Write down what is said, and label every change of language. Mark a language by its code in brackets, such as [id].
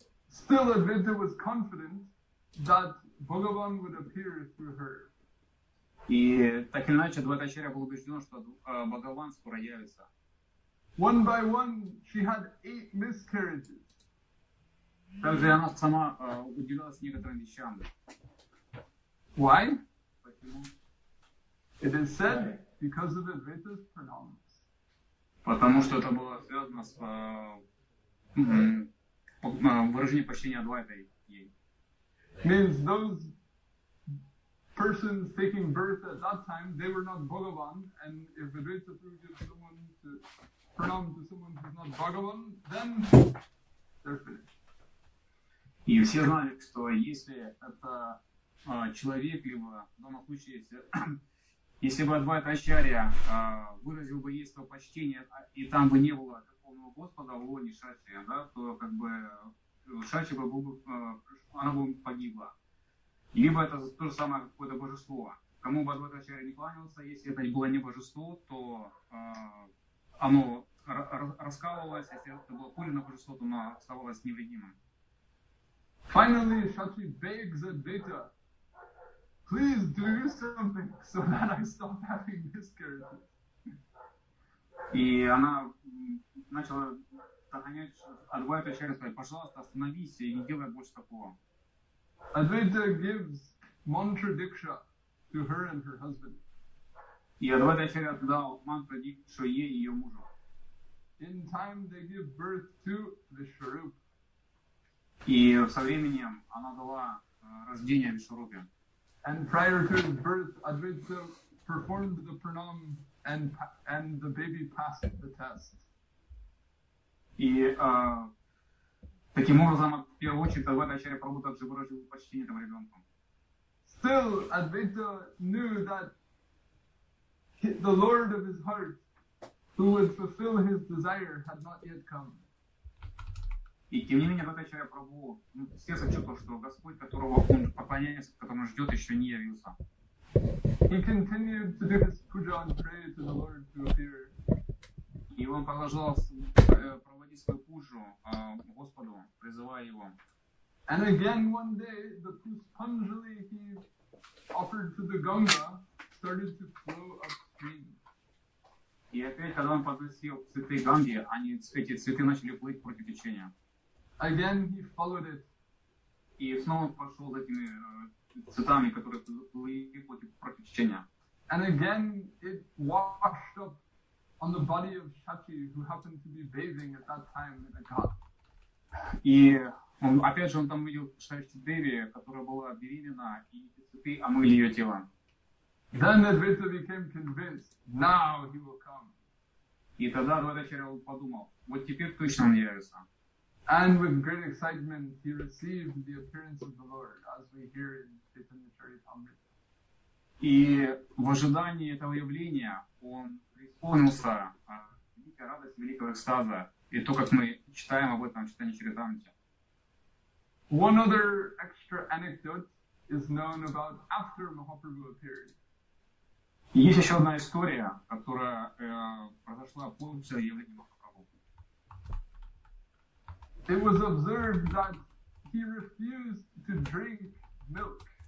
[en] Still, Advaita was confident that Bhagavan would appear through her. [ru] И так или иначе, Адвайта Ачарья был убежден, что Бхагаван скоро явится. [en] One by one, she had 8 miscarriages. [ru] Также она сама удивлялась некоторым вещам. [en] Why? [ru] Почему? [en] It is said because of Advaita's pranams. [ru] Потому что это было связано с выражением почтения Адвайты ей. [en] Means those persons taking birth at that time, they were not Bhagavan, and if Advaita Prabhu gives someone to pranam to someone who's not Bhagavan, then they're finished. [ru] И все знали, что если это человек, либо в данном случае, если бы Адвайта Ачарья выразил бы ей свое почтение, и там бы не было верховного Господа, о, не Шачи, да, то как бы Шачи бы она бы погибла. Либо это то же самое какое-то божество. Кому бы Адвайта Ачарья не кланялся, если это было не божество, то оно раскалывалось, если это было пулино божество, то оно оставалось невредимым. [en] Finally, Shachi begs Advaita, please do something so that I stop having miscarriages. [ru] И она начала догонять Адвайта Ачарья, сказать, пожалуйста, остановись и не делай больше такого. [en] Advaita gives mantra diksha to her and her husband. [ru] И Адвайта Ачарья отдал мантру дикшу ей и ее мужу. [en] In time they give birth to Vishwarup. [ru] И со временем она дала рождение Вишварупе. [en] And prior to his birth, Advaita performed the pranam and the baby passed the test. [ru] И таким образом, в первую очередь, Адвайта Ачарья Прабху также выразил почтение этому ребенку. [en] Still, Advaita knew that the Lord of his heart, who would fulfill his desire, had not yet come. [ru] И тем не менее, Адвайта Ачарья Прабху, сердце чувствовал, что Господь, которого он поклоняется, которого ждет, еще не явился. [en] He continued to do his puja and pray to the Lord to appear. [ru] И он продолжал проводить свою пужу Господу, призывая его. [en] And again one day the puspanjali he offered to the Ganga started to flow upstream. [ru] И опять, когда он подносил цветы Ганги, они эти цветы начали плыть против течения. [en] Again he followed it. [ru] И снова пошел за этими цветами, которые плыли против течения. [en] And again it washed up on the body of Shachi, who happened to be bathing at that time in a ghat. [ru] И он, опять же, он там увидел Шачи Деви, которая была беременна, и эти цветы омыли ее тело. [en] Then Advaita became convinced, now he will come. [ru] И тогда Адвайта Ачарья подумал, вот теперь точно он явится. [en] And with great excitement, he received the appearance of the Lord, as we hear in Chaitanya Charitamrita. [ru] И в ожидании этого явления он преисполнился великой радости, великого экстаза. И то, как мы читаем об этом в читании Чаритамриты. [en] One other extra anecdote is known about after Mahaprabhu appeared. [ru] Есть еще одна история, которая произошла после явления Махапрабху. [en] It was observed that he refused to drink milk.